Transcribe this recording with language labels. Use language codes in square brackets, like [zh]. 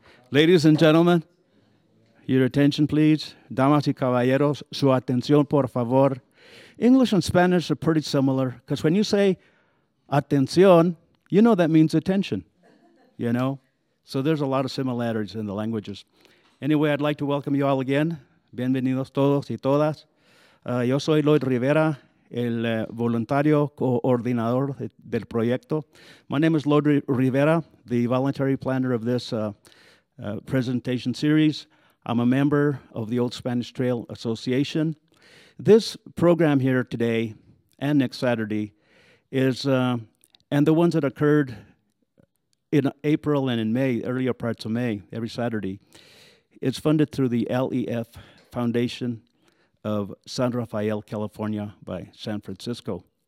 [en] Ladies and gentlemen, your attention, please. [es] Damas y caballeros, su atención, por favor. [en] English and Spanish are pretty similar, because when you say atención, you know that means attention, you know? So there's a lot of similarities in the languages. Anyway, I'd like to welcome you all again. [es] Bienvenidos todos y todas. Yo soy Lloyd Rivera, el voluntario coordinador del proyecto. [en] My name is Lloyd Rivera, the voluntary planner of this presentation series. I'm a member of the Old Spanish Trail Association. This program here today and next Saturday is, and the ones that occurred in April and in May, earlier parts of May, every Saturday, is funded through the LEF Foundation of San Rafael, California, by San Francisco.